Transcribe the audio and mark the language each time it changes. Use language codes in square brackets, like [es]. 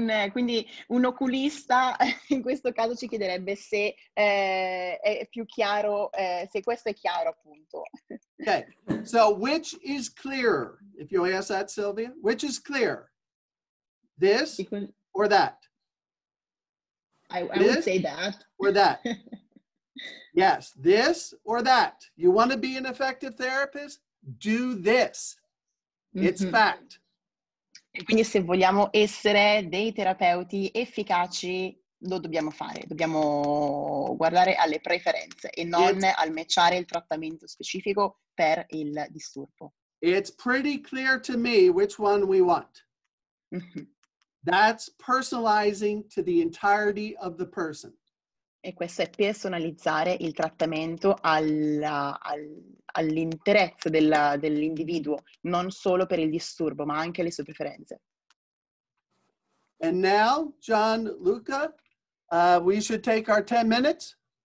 [it] quindi un oculista in questo caso ci chiederebbe se è più chiaro, se questo è chiaro appunto. [en] Ok, so which is clearer? If you ask that, Sylvia, which is clearer? This or that? I would say that. Or that? Yes, this or that? You want to be an effective therapist? Do this. It's mm-hmm. fact. [it] E quindi se vogliamo essere dei terapeuti efficaci, lo dobbiamo fare. Dobbiamo guardare alle preferenze e non al matchare il trattamento specifico per il disturbo. [en] It's pretty clear to me which one we want. That's personalizing to the entirety of the person. [it] E questo è personalizzare il trattamento all'interezza dell'individuo, non solo per il disturbo, ma anche le sue preferenze. [en] And now, Gianluca, we should take our 10 minutes.